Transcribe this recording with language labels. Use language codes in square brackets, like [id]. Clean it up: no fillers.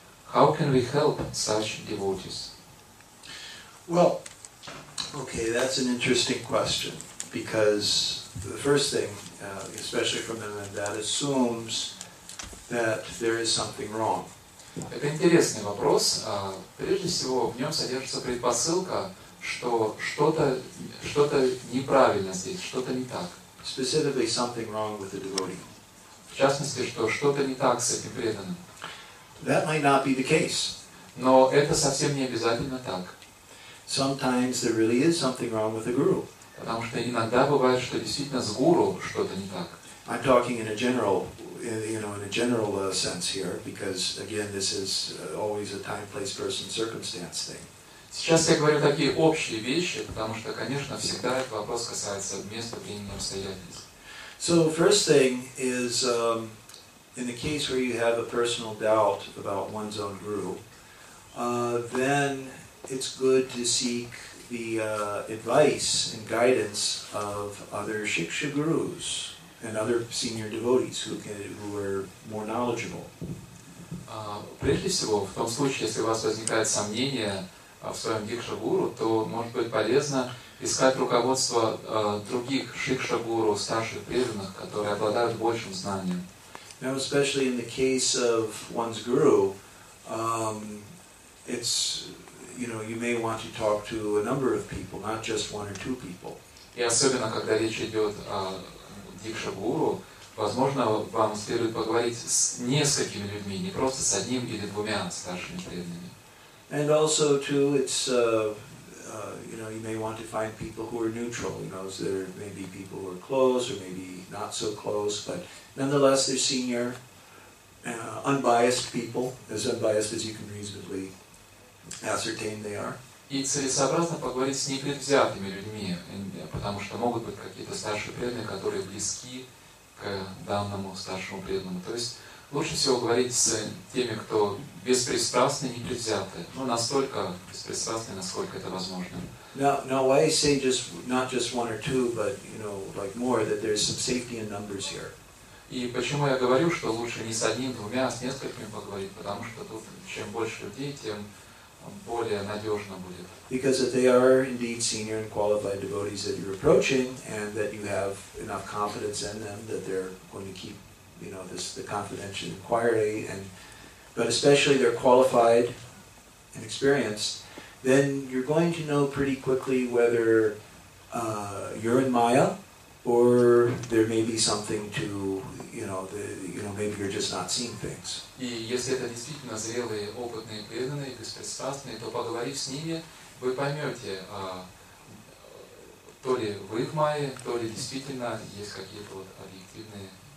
[en] How can we help such devotees? Well, okay, that's an interesting question, because the first thing, especially from them, that assumes that there is something wrong. [ru] Это интересный вопрос. Прежде всего, в нем содержится предпосылка, что что-то неправильно здесь, что-то не так. [en] Specifically, something wrong with the devotee. [ru] В частности, что что-то не так с этим преданным. [en] That might not be the case. [ru] Но это совсем не обязательно так. [en] Sometimes there really is something wrong with the guru. [ru] Потому что иногда бывает, что действительно с гуру что-то не так. [en] I'm talking in a general, you know, in a general sense here, because again, this is always a time, place, person, circumstance thing. [ru] Сейчас я говорю такие общие вещи, потому что, конечно, всегда этот вопрос касается места, времени, обстоятельств. [en] So first thing is. In the case where you have a personal doubt about one's own guru, then it's good to seek the advice and guidance of other shiksha gurus and other senior devotees who are more knowledgeable. [ru] Прежде всего, в том случае, если у вас возникает сомнение в своем дикша гуру, то может быть полезно искать руководство других шикша гуру, старших преданных, которые обладают большим знанием. [en] Now, especially in the case of one's guru, it's, you know, you may want to talk to a number of people, not just one or two people. [ru] И особенно, когда речь идет о дикша гуру, возможно, вам следует поговорить с несколькими людьми, не просто с одним или двумя старшими преданными. [en] And also, too, it's you know, you may want to find people who are neutral. You know, so there may be people who are close or maybe not so close, but nonetheless, they're senior, unbiased people, as unbiased as you can reasonably ascertain they are. [ru] И целесообразно поговорить с непредвзятыми людьми, потому что могут быть какие-то старшие преданные, которые близки к данному старшему преданному. То есть лучше всего говорить с теми, кто беспристрастный, непредвзятый. Ну, настолько беспристрастный, насколько это возможно. [en] Now why I say just not just one or two, but you know, like more, that there's some safety in numbers here. [ru] И почему я говорю, что лучше не с одним, двумя, а с несколькими поговорить, потому что тут чем больше людей, тем более надежно будет. [en] Because if they are indeed senior and qualified devotees that you're approaching, and that you have enough confidence in them, that they're going to keep, you know, this the confidential inquiry, and but especially they're qualified and experienced, then you're going to know pretty quickly whether you're in Maya, or there may be something to, you know, the, you know, maybe you're just not seeing things. [ru] И если это действительно зрелые, опытные, преданные, беспристрастные, то поговорив с ними, вы поймете, то ли вы в Майе, то ли действительно есть какие-то вот объективные.